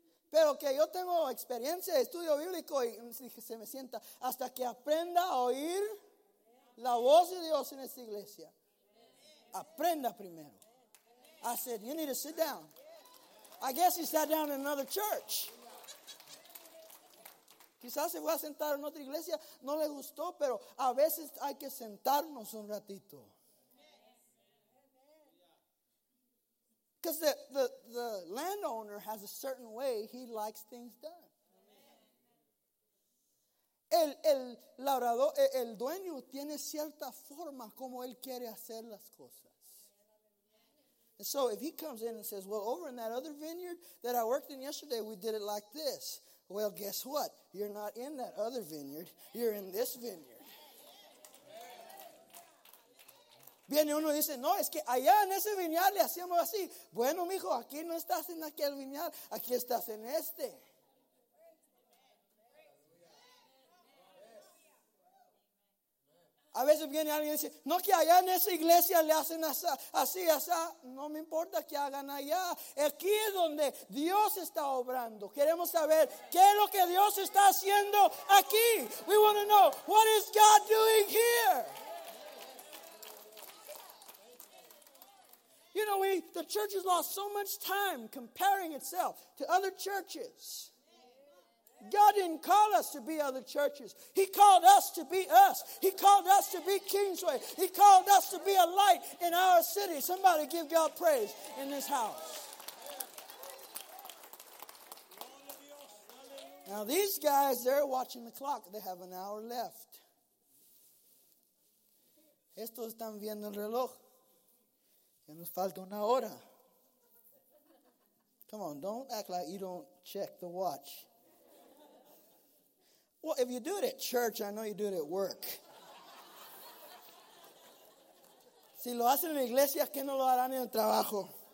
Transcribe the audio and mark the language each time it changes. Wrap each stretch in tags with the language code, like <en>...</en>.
<es>Pero que yo tengo experiencia de estudio bíblico y se me sienta hasta que aprenda a oír la voz de Dios en esta iglesia. Aprenda primero.</es> <en>I said, you need to sit down. I guess he sat down in another church.</en> <es>Quizás se fue a sentar en otra iglesia. No le gustó, pero a veces hay que sentarnos un ratito.</es> <en>Because the landowner has a certain way he likes things done.</en> <es>El labrador, el dueño tiene cierta forma como él quiere hacer las cosas.</es> <en>And so if he comes in and says, well, over in that other vineyard that I worked in yesterday, we did it like this. Well, guess what? You're not in that other vineyard. You're in this vineyard.</en> <es>Viene uno y dice, no, es que allá en ese viñal le hacíamos así. Bueno, mijo, aquí no estás en aquel viñal, aquí estás en este. A veces viene alguien y dice, no, que allá en esa iglesia le hacen así, así. No me importa que hagan allá. Aquí es donde Dios está obrando. Queremos saber qué es lo que Dios está haciendo aquí.</es> <en>We want to know, what is God doing here? You know, the church has lost so much time comparing itself to other churches. God didn't call us to be other churches. He called us to be us. He called us to be Kingsway. He called us to be a light in our city. Somebody give God praise in this house. Now these guys, they're watching the clock. They have an hour left.</en> <es>Estos están viendo el reloj. Ya nos falta una hora.</es> <en>Come on, don't act like you don't check the watch. Well, if you do it at church, I know you do it at work.</en> <es>Si lo hacen en la iglesia, ¿qué no lo harán en el trabajo?</es>